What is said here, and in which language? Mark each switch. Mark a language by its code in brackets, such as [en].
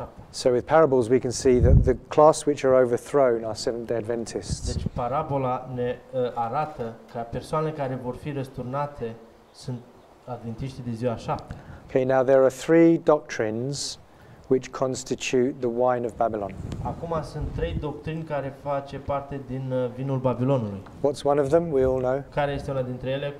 [en] So with parables we can see that the class which are overthrown are Seventh-day Adventists. [ro] Deci parabola ne arată că persoanele care vor fi răsturnate sunt adventiștii de ziua 7. [en] Okay, now there are three doctrines which constitute the wine of Babylon. [ro] Acum sunt trei doctrini care face parte din vinul Babilonului. [en] What's one of them? We all know. [ro] Care este una dintre ele?